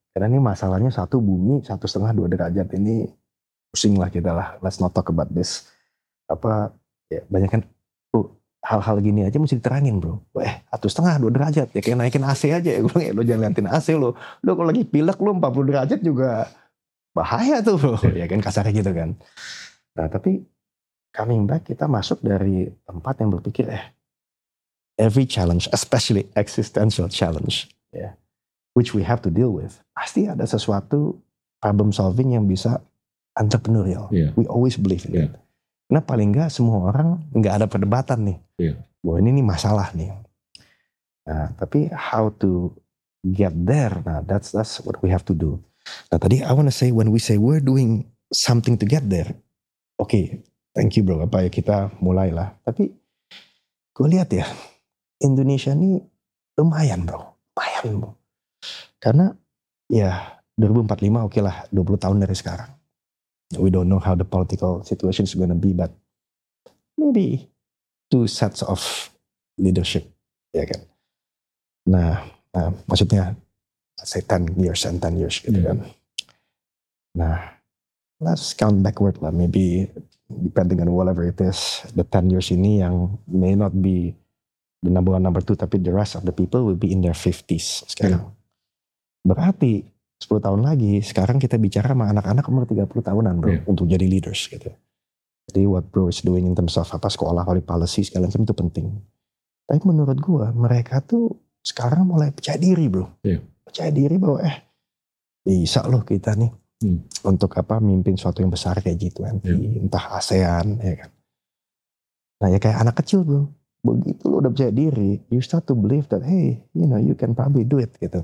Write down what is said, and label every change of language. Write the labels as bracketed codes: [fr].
[id] Karena ini masalahnya satu bumi, 1,5-2 derajat ini pusing lah kita lah. [en] Let's not talk about this. [id] Apa, ya banyak kan, hal-hal gini aja mesti diterangin bro. 1,5-2 derajat ya kayak naikin AC aja ya. Gue bilang, lo jangan liatin AC lo. Lo kalau lagi pilek lo 40 derajat juga bahaya tuh bro. Ya kan kasarnya gitu kan. Nah tapi [en] coming back, [id] kita masuk dari tempat yang berpikir [en] every challenge, especially existential challenge, which we have to deal with, [id] pasti ada sesuatu problem solving yang bisa entrepreneurial. Yeah. [en] We always believe in it. [id] Nah paling enggak semua orang enggak ada perdebatan nih. Yeah. Bahwa ini masalah nih. Nah, tapi [en] how to get there? Nah, that's what we have to do. Nah, tadi I wanna say when we say we're doing something to get there. Okay, thank you [id] bro. Apa ya kita mulailah. Tapi gue lihat ya, Indonesia ini lumayan bro. Lumayan bro. Karena ya 2045 okay lah, 20 tahun dari sekarang. [en] We don't know how the political situation is going to be, but maybe 2 sets of leadership, [id] ya kan? Nah, maksudnya, [en] say 10 years and 10 years, [id] gitu kan? [en] Nah, let's count backward lah. Maybe depending on whatever it is, the 10 years ini yang may not be the number one, number two, [id] tapi [en] the rest of the people will be in their 50s [id] sekarang. Berarti 10 tahun lagi, sekarang kita bicara sama anak-anak umur 30 tahunan bro, untuk jadi leaders gitu. Jadi [en] what bro is doing in terms of [id] apa sekolah, public policy, segala macam itu penting. Tapi menurut gue, mereka tuh sekarang mulai percaya diri bro. Yeah. Percaya diri bahwa bisa loh kita nih, untuk apa, mimpin suatu yang besar kayak G20, entah ASEAN, ya kan. Nah ya kayak anak kecil bro, begitu lo udah percaya diri, [en] you start to believe that, you can probably do it [id] gitu.